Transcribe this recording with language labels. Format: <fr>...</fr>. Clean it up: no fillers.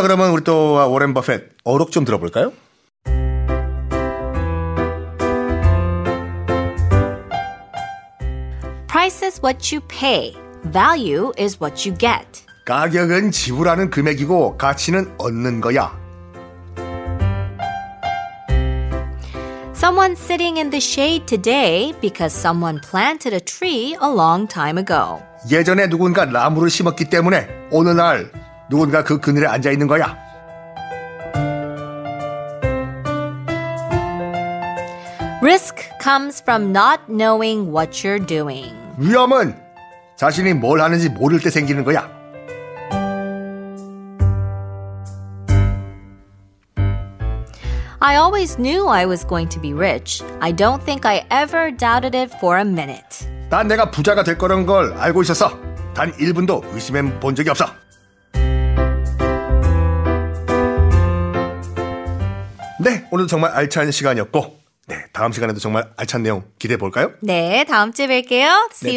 <ko>그러면 우리 또 워렌 버핏 어록 좀 들어볼까요?</ko> <en>Price is what you pay. Value is what you get.</en> <ko>가격은 지불하는 금액이고 가치는 얻는 거야.</ko> <en>Someone sitting in the shade today because someone planted a tree a long time ago.</en> <ko>예전에 누군가 나무를 심었기 때문에 오늘날 누군가 그 그늘에 앉아 있는 거야.</ko> <en>Risk comes from not knowing what you're doing.</en> <ko>위험은 자신이 뭘 하는지 모를 때 생기는 거야.</ko> <en>I always knew I was going to be rich. I don't think I ever doubted it for a minute.</en> <ko>난 내가 부자가 될 거란 걸 알고 있었어. 단 1분도 의심해 본 적이 없어. (목소리) 네, 오늘도 정말 알찬 시간이었고 네, 다음 시간에도 정말 알찬 내용 기대해 볼까요? 네, 다음 주에 뵐게요. See</ko>